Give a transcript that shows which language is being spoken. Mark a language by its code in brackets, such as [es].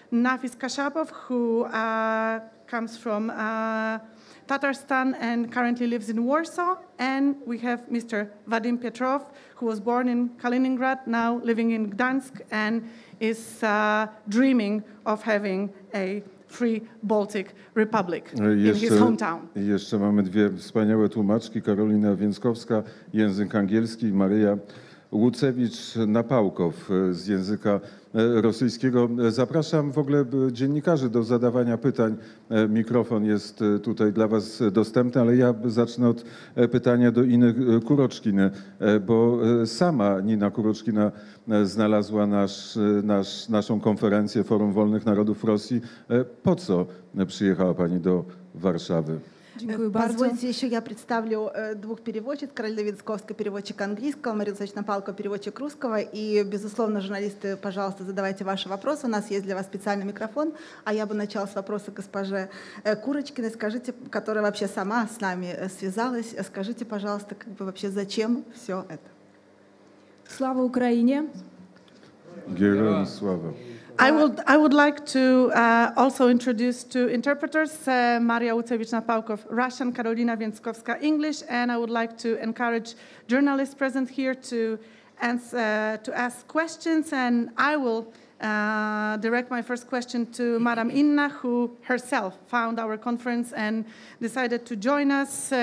[en] Nafis Kashapov, who comes from Tatarstan and currently lives in Warsaw. And we have Mr. Vadim Petrov, who was born in Kaliningrad, now living in Gdansk, and is dreaming of having a free Baltic Republic [pl] jeszcze, [en] in his hometown. [pl] Jeszcze mamy dwie wspaniałe tłumaczki, Karolina Więckowska, język angielski, Maria Łucewicz-Napałkow z języka rosyjskiego. Zapraszam w ogóle dziennikarzy do zadawania pytań. Mikrofon jest tutaj dla was dostępny, ale ja zacznę od pytania do Inny Kuroczkiny, bo sama Nina Kuroczkina znalazła naszą konferencję Forum Wolnych Narodów Rosji. Po co przyjechała pani do Warszawy? Dziękuję bardzo. Pozwólcie, jeszcze ja przedstawię dwóch [ru] переводчиков: [pl] Karolina Więckowska, [ru] переводчик [pl] angielskiego, Maria Łucewicz-Napałkow, [ru] переводчик русского. I безусловно, журналисты, пожалуйста, задавайте ваши вопросы. У нас есть для вас специальный микрофон. А я бы начала с вопроса госпоже Курочкиной. Скажите, которая вообще сама с нами связалась, скажите, пожалуйста, как бы вообще зачем все это? Слава Украине! Героям слава! [en] I would like to also introduce two interpreters, Maria Łucewicz-Napałkow, Russian, Karolina Więckowska, English, and I would like to encourage journalists present here to ask questions, and I will direct my first question to Madame Inna, who herself found our conference and decided to join us.